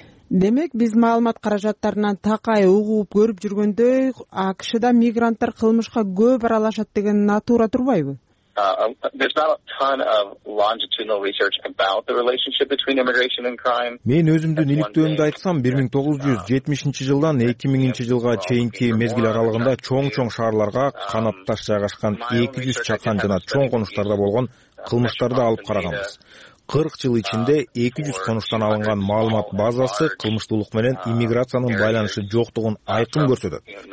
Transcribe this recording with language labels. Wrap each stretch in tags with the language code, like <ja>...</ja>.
<ky>Демек, биз маалымат каражаттарынан такай угуп көрүп жүргөндөй, АКШда мигранттар кылмышка көп аралашат деген натура турбайбы?</ky> <en>There's not a ton of longitudinal research about the relationship between immigration and crime.</en> <ky>Мен өзүмдүн иликтөөмдү айтсам, 1970 жылдан 2000 жылга чейинки мезгил аралыгында чоң-чоң шаарларга канатташ жайгашкан 200 чакан жана чоң конуштарда болгон кылмыштарды алып караганбыз. 40 жыл ичинде 200 конуштан алынган маалымат базасы кылмыштуулук менен иммиграциянын байланышы жоктугун айкын көрсөтөт.</ky>